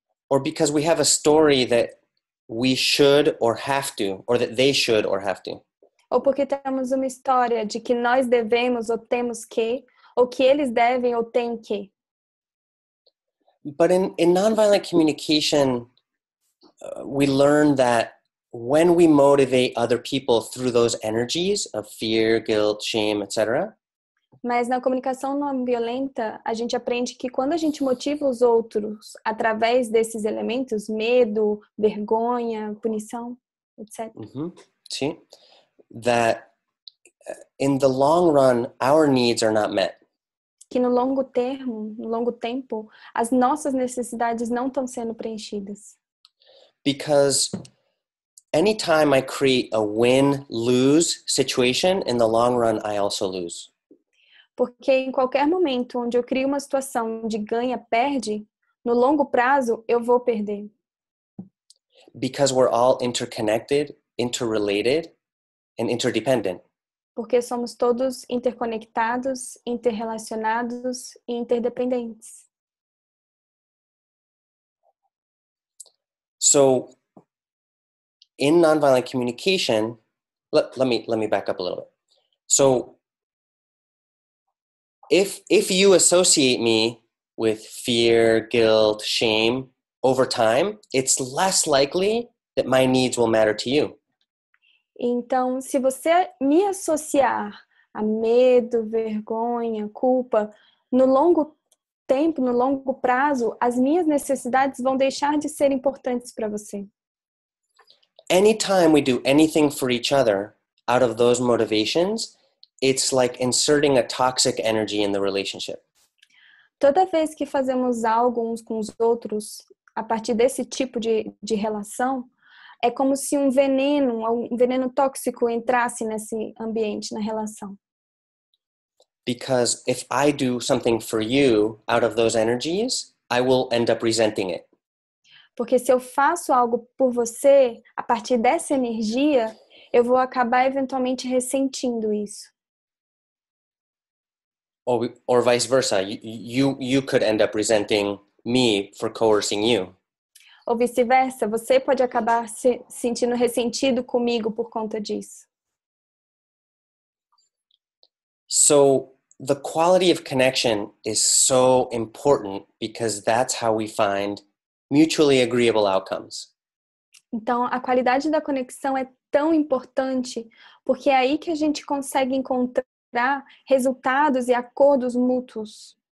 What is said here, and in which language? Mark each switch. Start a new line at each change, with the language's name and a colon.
English: Or because we have a story that we should or have to, or that they should or have to.
Portuguese: Ou porque temos uma história de que nós devemos ou temos que, ou que eles devem ou têm que.
English: But in nonviolent communication, we learn that when we motivate other people through those energies of fear, guilt, shame, etc.
Portuguese: Mas na comunicação não violenta, a gente aprende que quando a gente motiva os outros através desses elementos, medo, vergonha, punição, etc. Sim.
English: That in the long run, our needs are not met.
Portuguese: Que no longo termo, no longo tempo, as nossas necessidades não estão sendo preenchidas.
English: Because anytime I create a win-lose situation, in the long run, I also lose.
Portuguese: Porque em qualquer momento onde eu crio uma situação de ganha-perde, no longo prazo, eu vou perder.
English: Because we're all interconnected, interrelated, and interdependent.
Portuguese: Porque somos todos interconectados, interrelacionados e interdependentes.
English: So, in nonviolent communication, let me back up a little bit. So, If you associate me with fear, guilt, shame over time, it's less likely that my needs will matter to you.
Portuguese: Então, se você me associar a medo, vergonha, culpa, no longo tempo, no longo prazo, as minhas necessidades vão deixar de ser importantes para você.
English: Anytime we do anything for each other out of those motivations, it's like inserting a toxic energy in the relationship.
Portuguese: Toda vez que fazemos algo uns com os outros, a partir desse tipo de relação, é como se um veneno tóxico entrasse nesse ambiente, na relação.
English: Because if I do something for you out of those energies, I will end up resenting it.
Portuguese: Porque se eu faço algo por você, a partir dessa energia, eu vou acabar eventualmente ressentindo isso.
English: Or vice versa, you could end up resenting me for coercing you.
Portuguese: Ou vice-versa, você pode acabar se sentindo ressentido comigo por conta disso.
English: So, the quality of connection is so important because that's how we find mutually agreeable outcomes.
Portuguese: Então, a qualidade da conexão é tão importante porque é aí que a gente consegue encontrar resultados e acordos mútuos.